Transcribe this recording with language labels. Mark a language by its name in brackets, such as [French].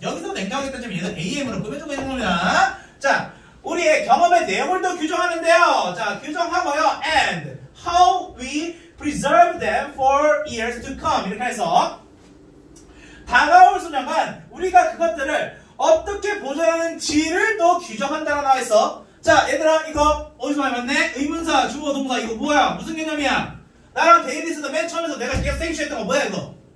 [Korean] 여기서 냉정하게 따지면 얘는 AM으로 꾸며주고 있는 겁니다. 자, 우리의 경험의 내용을 또 규정하는데요. 자, 규정하고요. [English] And how we preserve them for years to come. [Korean] 이렇게 해서 다가올 수년간 우리가 그것들을 어떻게 보존하는지를 또 규정한다고 나와있어. 자, 얘들아 이거 어디서 많이 봤네? 의문사, 주어, 동사 이거 뭐야? 무슨 개념이야? 나랑 데이리스도 맨 처음에서 내가 계속 생취했던 거 뭐야 이거?